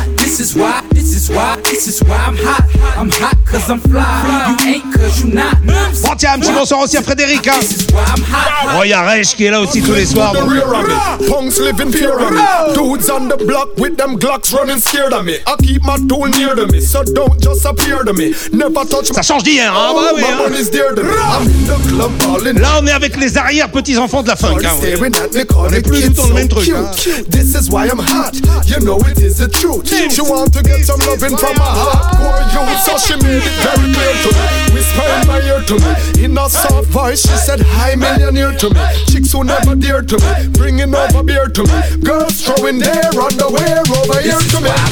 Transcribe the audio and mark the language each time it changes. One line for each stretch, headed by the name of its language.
English: This is why, this is why, this is why I'm hot. I'm hot cause I'm fly. You ain't cause you not.
French: Bon tiens, un petit bonsoir aussi à Frédéric hein. Oh y'a Rech qui est là aussi tous les soirs.
English: Punks living fear of me. Dudes on the block with them glocks running scared of me. I keep my tool near to me, so don't just appear to me. Never touch
French: me. Ça change d'hier hein, bah oui hein. Là on est avec les arrières petits-enfants de la funk hein. On est plus du tout dans le même truc hein.
English: This is why I'm hot, you know it is the truth. She want to get some loving from my hardcore youth. So she made it very clear to me, whispering my ear to me. In a soft voice she said, hi millionaire to me. Chicks who never dear to me, bringing over beer to me. Girls throwing their underwear over here to me.